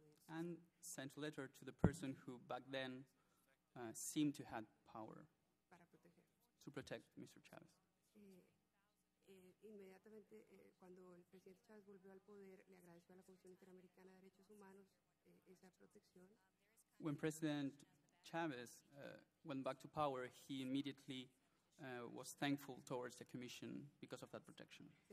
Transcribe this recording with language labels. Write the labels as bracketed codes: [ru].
[en] And sent a letter to the person who back then seemed to have power to protect Mr. Chavez. [es] Inmediatamente cuando el presidente Chavez volvió al poder, le agradeció a la Comisión Interamericana de Derechos Humanos esa protección. [en] When President Chavez went back to power, he immediately was thankful towards the commission because of that protection.